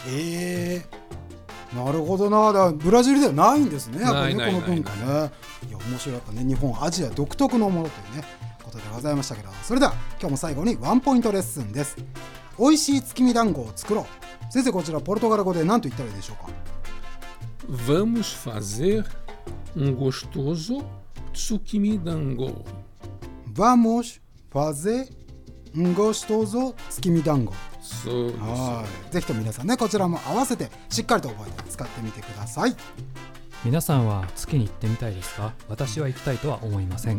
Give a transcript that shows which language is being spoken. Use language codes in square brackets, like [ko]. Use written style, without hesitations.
[ja] へえ。なるほどな。だブラジルではないんですね。ないないない。この文化ね。いや面白かったね。日本アジア独特のものというね。でございましたけど、それでは今日も最後にワンポイントレッスンです。美味しい月見団子を作ろう。先生こちらポルトガル語で何と言ったらいいでしょうか。 [pt] Vamos fazer gostoso tsukimi dango. Vamos fazer gostoso tsukimi dango. [ja] そうです。はい。ぜひと皆さんねこちらも合わせてしっかりと覚えて使ってみてください。皆さんは月に行ってみたいですか。私は行きたいとは思いません。